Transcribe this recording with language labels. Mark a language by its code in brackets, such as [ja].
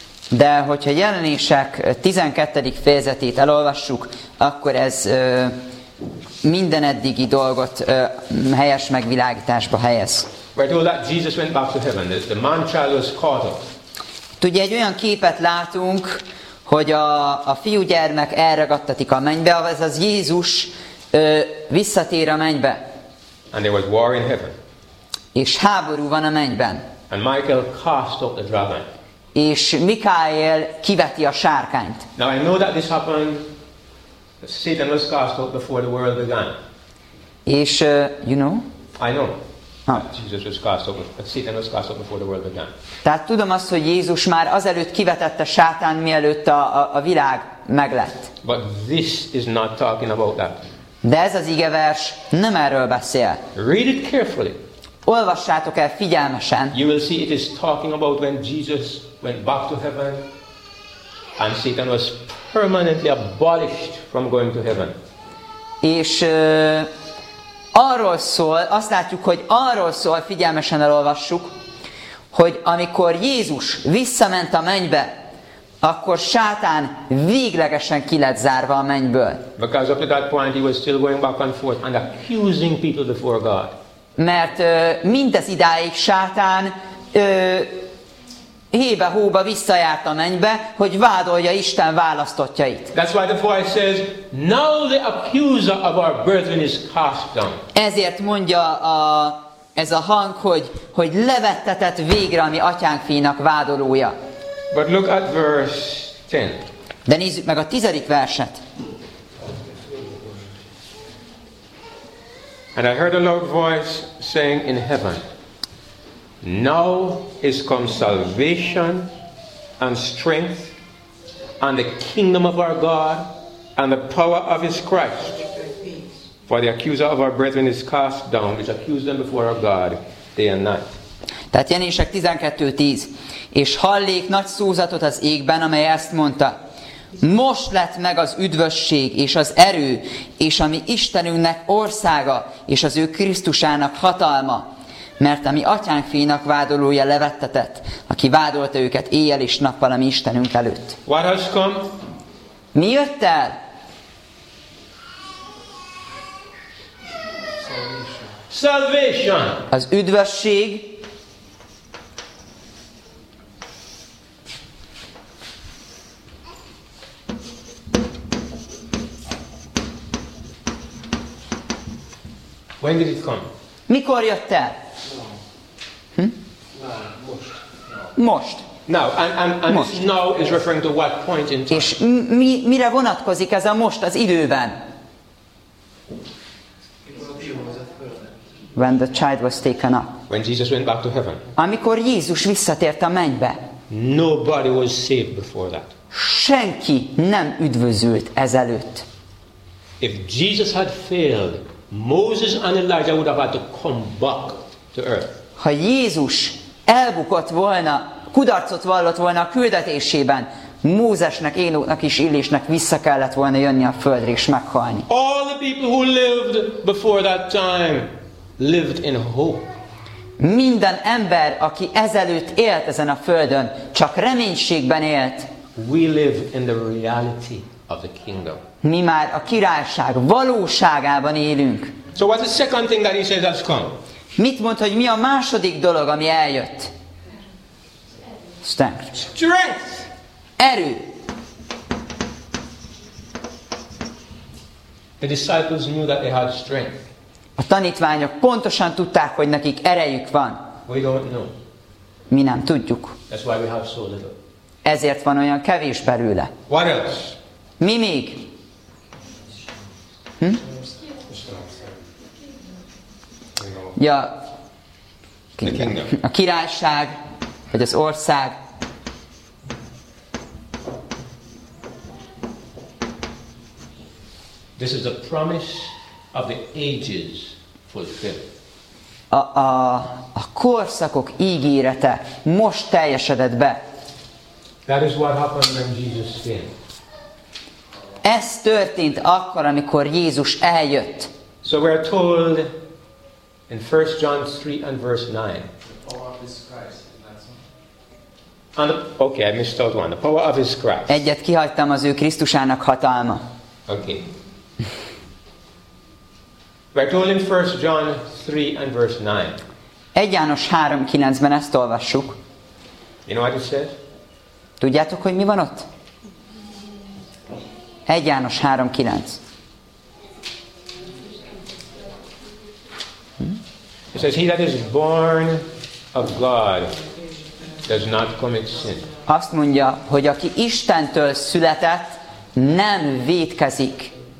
[hu] De hogyha Jelenések 12. fejezetét elolvassuk, akkor ez minden eddigi dolgot helyes megvilágításba helyez. [en] We're told that Jesus went back to heaven. The man child was caught up. [hu] Tudja, egy olyan képet látunk, hogy a fiúgyermek elragadtatik a mennybe, ez az Jézus visszatér a mennybe. [en] And there was war in heaven. [hu] És háború van a mennyben. [en] And Michael cast out the dragon. [hu] És Mikael kiveti a sárkányt. [en] Now I know that this happened. Satan was cast out before the world began. És you know? I know. Jesus was cast out. Satan was cast out before the world began. [hu] Tehát tudom azt, hogy Jézus már azelőtt kivetette Sátán, mielőtt a világ meglett. [en] But this is not talking about that. [hu] De ez az igevers nem erről beszél. [en] Read it carefully. [hu] Olvassátok el figyelmesen. [en] You will see it is talking about when Jesus went back to heaven and Satan was permanently abolished from going to heaven. [hu] És arról szól, azt látjuk, hogy arról szól, figyelmesen elolvassuk, hogy amikor Jézus visszament a mennybe, akkor Sátán véglegesen ki lett zárva a mennyből. [en] Because up to that point he was still going back and forth and accusing people before God. [hu] Mert mindez idáig Sátán hébe-hóba visszajárt a mennybe, hogy vádolja Isten választottjait. [en] That's why the voice says, now the accuser of our brethren is cast down. [hu] Ezért mondja ez a hang, hogy levettetett végre a mi atyánk fiának vádolója. [en] But look at verse 10. [hu] De nézzük meg a 10. verset. [en] And I heard a loud voice saying in heaven, now is come salvation and strength and the kingdom of our God and the power of his Christ. For the accuser of our brethren is cast down, which accused them before our God day and night. [hu] Tehát Jenések 12:10. És hallék nagy szózatot az égben, amely ezt mondta. Most lett meg az üdvösség és az erő, és a mi Istenünknek országa, és az ő Krisztusának hatalma. Mert a mi atyánk fénynek vádolója levettetett, aki vádolta őket éjjel és nappal a mi Istenünk előtt. [en] What has come? [hu] Mi jött el? [en] Salvation. [hu] Az üdvösség. [en] When did it come? [hu] Mikor jött el? Most. [en] Now, and most. This now is referring to what point in time? [hu] És mire vonatkozik ez a most az időben? [en] When the child was taken up. When Jesus went back to heaven. [hu] Amikor Jézus visszatért a mennybe. [en] Nobody was saved before that. [hu] Senki nem üdvözült ezelőtt. [en] If Jesus had failed, Moses and Elijah would have had to come back to earth. [hu] Ha Jézus elbukott volna, kudarcot vallott volna a küldetésében, Mózesnek, Énoknak és Illésnek vissza kellett volna jönni a földre és meghalni. [en] All the people who lived before that time lived in hope. [hu] Minden ember, aki ezelőtt élt ezen a földön, csak reménységben élt. [en] We live in the reality of the kingdom. [hu] Mi már a királyság valóságában élünk. [en] So what's the second thing that he says has come? [hu] Mit mond, hogy mi a második dolog, ami eljött? [en] Strength. [hu] Erő. [en] The disciples knew that they had strength. [hu] A tanítványok pontosan tudták, hogy nekik erejük van. [en] We don't know. [hu] Mi nem tudjuk. [en] That's why we have so little. [hu] Ezért van olyan kevés belőle. [en] What else? [hu] Mi még? Ja, a királyság, vagy az ország. [en] This is the promise of the ages fulfilled. [hu] A korszakok ígérete most teljesedett be. [en] That is what happened when Jesus came. [hu] Ez történt akkor, amikor Jézus eljött. [en] So we are told in 1 John 3 and verse 9. The power of his Christ. Okay, I missed out one. The power of his Christ. [hu] Egyet kihagytam, az ő Krisztusának hatalma. [en] Okay. But only in 1 John 3 and verse 9. [hu] 1 János 3:9-ben ezt olvassuk. [en] You know what it says? [hu] Tudjátok, hogy mi van ott? 1 János 3:9. [en] It says, he that is born of God does not commit sin. [hu] Azt mondja, hogy aki Istentől született, nem vétkezik.